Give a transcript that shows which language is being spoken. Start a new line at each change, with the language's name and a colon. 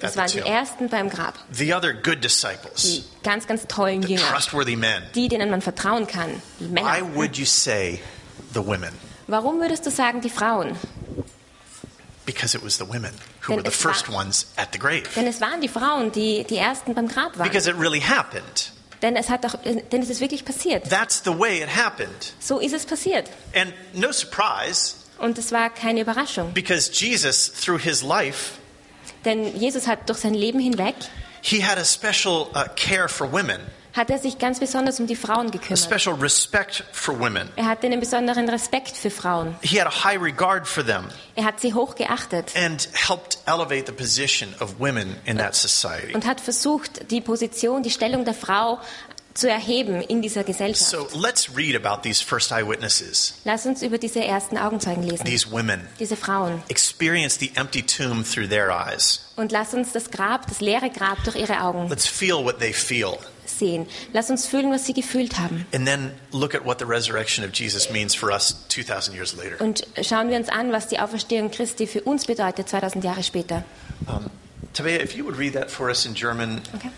German: Das waren die ersten beim Grab.
English: The other good disciples.
German: Die ganz, ganz tollen
English: the
German: Jünger.
English: Trustworthy men.
German: Die, denen man vertrauen kann. Die Männer.
English: Why would you say the women?
German: Warum würdest du sagen die Frauen?
English: Because it was the women who were the first ones at the grave.
German: Denn es waren die Frauen, die die ersten beim Grab waren.
English: Because it really happened.
German: Denn es hat doch, denn es ist wirklich passiert.
English: That's the way it happened.
German: So ist es passiert.
English: And no surprise.
German: Und es war keine Überraschung.
English: Because Jesus, through his life,
German: denn Jesus hat durch sein Leben hinweg,
English: he had a special care for women.
German: Hat er sich ganz besonders um die Frauen gekümmert.
English: A special respect for women.
German: Er hatte einen besonderen Respekt für Frauen.
English: He had a high regard for them.
German: Er hat sie hoch geachtet.
English: And helped elevate the position of women in that society.
German: Und hat versucht, die Position, die Stellung der Frau zu erheben in dieser Gesellschaft.
English: So let's read about these first eyewitnesses.
German: Lass uns über diese ersten Augenzeugen lesen.
English: These women.
German: Diese Frauen.
English: Experience the empty tomb through their eyes.
German: Und lass uns das Grab, das leere Grab durch ihre Augen.
English: Let's feel what they feel.
German: Sehen. Lass uns fühlen, was sie gefühlt haben.
English: And then look at what the resurrection of Jesus means for us 2000 years later.
German: Und schauen wir uns an, was die Auferstehung Christi für uns bedeutet 2000 Jahre später.
English: Tabea, if you would read that for us in German, okay.